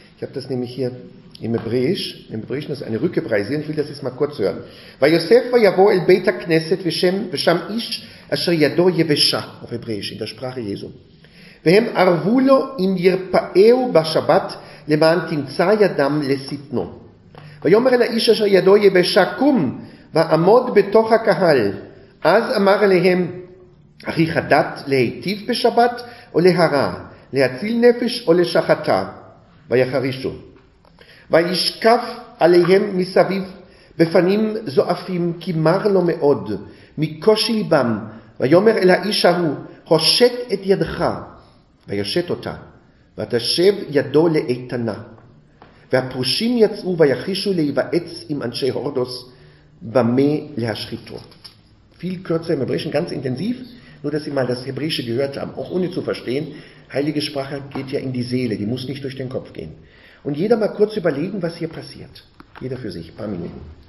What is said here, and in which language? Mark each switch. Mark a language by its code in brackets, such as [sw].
[de] Ich habe das nämlich hier im Hebräisch, das ist eine Rückhebraisierung, ich will das jetzt mal kurz hören. Weil Yosef war ja wohl [he] beta knesset v'sham ish asher yado yevesha, [de] auf Hebräisch, in der Sprache Jesu. [he] V'hem arvulo im yirpa'eu b'shabbat למען תמצא ידם לסיתנו. ויאמר אל האיש אשר ידו יבשה, קום, ועמוד בתוך הקהל. אז אמר אליהם, אחי חדת להיטיב בשבת או להרע, להציל נפש או לשחתה, ויחרישו. וישקף עליהם מסביב בפנים זועפים, כי מר לו מאוד, מקושי ליבם. ויאמר אל האיש ההוא, הושט את ידך, וישט אותה. ותשב ידו לאיתנה. והפרושים יצאו ויחישו להיוועץ עם אנשי הורדוס במה להשחיתו. [de] Viel kürzer im Hebräischen, ganz intensiv, nur dass Sie mal das Hebräische gehört haben, auch ohne zu verstehen. Heilige Sprache geht ja in die Seele, die muss nicht durch den Kopf gehen. Und jeder mal kurz überlegen, was hier passiert. Jeder für sich, ein paar Minuten.